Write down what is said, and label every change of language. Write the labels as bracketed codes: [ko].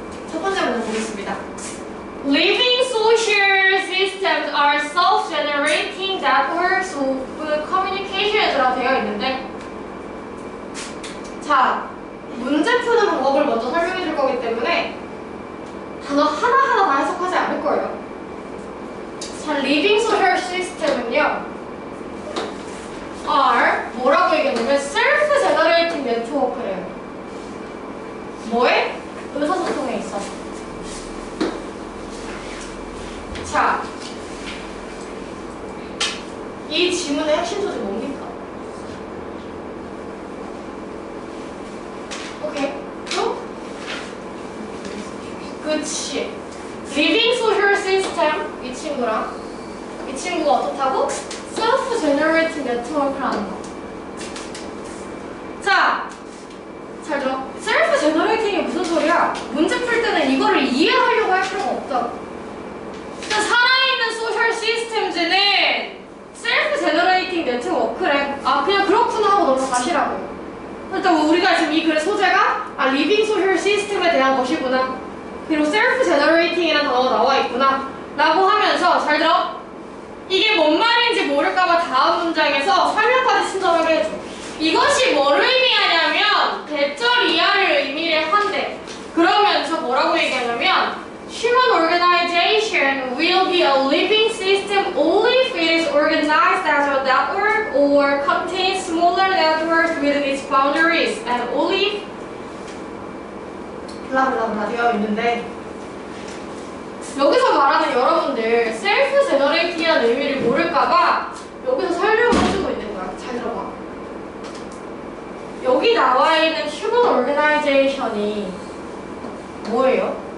[ko] 첫 번째 문제 보겠습니다. [en] Living social systems are self-generating networks of communication [ko] 이라고 되어 있는데, 자 문제 푸는 방법을 먼저 설명해 줄 거기 때문에 단어 하나 하나 다 해석하지 않을 거예요. 자, [en] living social system [ko] 은요 are 뭐라고 얘기하냐면 [en] self-generating network [ko] 예요. 뭐에? 의사소통에 있어. 자, 이 질문의 핵심 소재 뭡니까? 오케이, 또? 그치. Living social system, 이 친구랑. 이 친구가 어떻다고? [en] Self-generating network [ko] 라는 거. 자, 잘 들어. [en] Self-generating [ko] 이 무슨 소리야? 문제 풀 때는 이거를 이해하려고 할 필요가 없다. 살아있는 소셜 시스템즈는 셀프 제너레이팅 네트워크래. 아 그냥 그렇구나 하고 넘어가시라고. 일단 우리가 지금 이 글의 소재가 아 리빙 소셜 시스템에 대한 것이구나. 그리고 셀프 제너레이팅이라는 단어가 나와있구나 라고 하면서 잘 들어. 이게 뭔 말인지 모를까봐 다음 문장에서 설명까지 친절하게 해줘. 이것이 뭐를 의미하냐면 대절 이하를 의미를 한대. [en] 그러면서 뭐라고 얘기하냐면 Human organization will be a living system only if it is organized as a network or contains smaller networks within its boundaries and only if [ko] 블라블라블라 되어 있는데 여기서 말하는 여러분들 [en] self-generating [ko] 이라는 의미를 모를까봐 여기서 설명을 해주고 있는 거야. 잘 들어봐. 여기 나와 있는 [en] human organization [ko] 이 뭐예요?